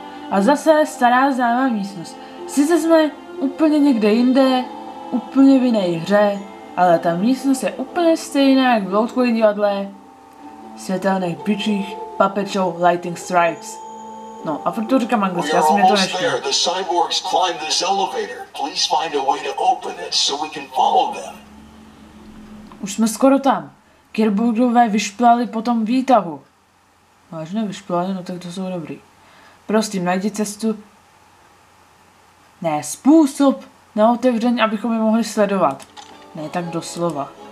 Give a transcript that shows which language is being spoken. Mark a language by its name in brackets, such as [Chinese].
[Czech] A zase stará známá místnost. Sice jsme úplně někde jinde, úplně v jiné hře, ale ta místnost je úplně stejná jak v loutkovém divadle světelných bičích Puppetshow Lightning Strikes. No, a furt to říkám anglicky, já jsem mě to neštěl. [English] The cyborgs climb this elevator. Please find a way to open it so we can follow them. [Czech] Už jsme skoro tam. Kirbogové vyšplali po tom výtahu. Vážně vyšplali, no tak to jsou dobrý. Prostě najdi cestu. Ne, způsob na otevření, abychom je mohli sledovat. Ne, tak doslova.